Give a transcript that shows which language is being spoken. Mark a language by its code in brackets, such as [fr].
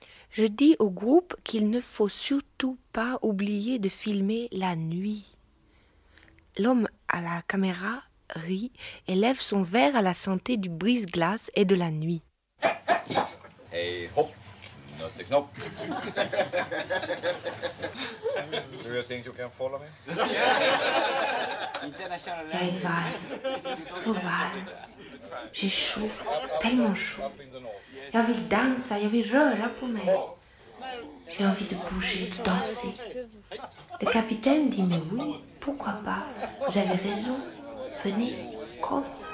[fr] Je dis au groupe qu'il ne faut surtout pas oublier de filmer la nuit. L'homme à la caméra rit et lève son verre à la santé du brise-glace et de la nuit. [en] Hey hop, not the knock. Do you think you can follow me? [fr] Là, il va, sauvage, j'ai chaud, tellement chaud. J'ai envie de danser, j'ai envie de rire pour moi. J'ai envie de bouger, de danser. Le capitaine dit, mais oui, pourquoi pas, vous avez raison, venez, comme.